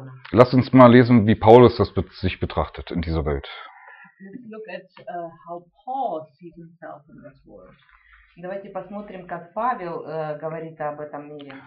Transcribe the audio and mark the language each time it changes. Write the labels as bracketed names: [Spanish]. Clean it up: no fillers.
[German] Lass uns mal lesen, wie Paulus das sich betrachtet in dieser Welt. [English] Look at how Paul sees himself in this world. [Russian] Давайте посмотрим, как Павел говорит об этом мире.